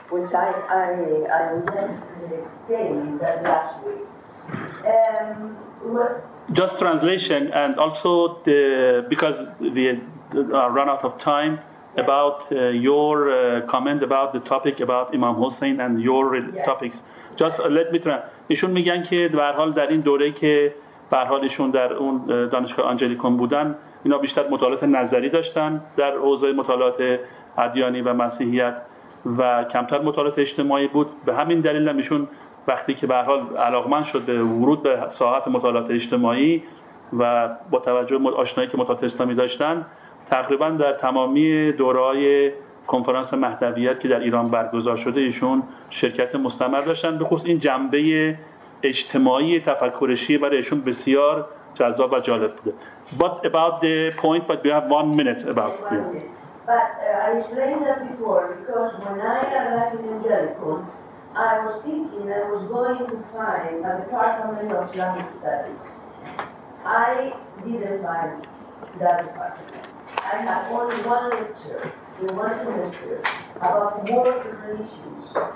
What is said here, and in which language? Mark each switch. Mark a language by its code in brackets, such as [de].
[en] which I mentioned that last week. Just translation, and also the, because we run out of time, yes, about your comment about the topic about Imam Hussein and your, yes, topics. Just let me translate. [fa] ایشون میگن که به هر حال در این دوره که به هر حال ایشون در اون دانشگاه آنجلیکون بودن اینا بیشتر مطالعات نظری داشتن در حوزه مطالعات ادیانی و مسیحیت و کمتر مطالعات اجتماعی بود. به همین دلیل هم ایشون وقتی که به هر حال علاقمند شد به ورود به ساحت مطالعات اجتماعی و با توجه به آشنایی که مطالعات اسلامی داشتن تقریبا در تمامی دورهای کنفرانس مهدویت که در ایران برگزار شده ایشون شرکت مستمر داشتن. بخصوص این جنبه اجتماعی تفکرشی برای ایشون بسیار جذاب و جالب بوده. [en] But about the point, but we have one minute about it. But I explained that before, because when I was thinking I was going to find a department of Islamic studies. I didn't find that department. I had only one lecture in one semester about world religions.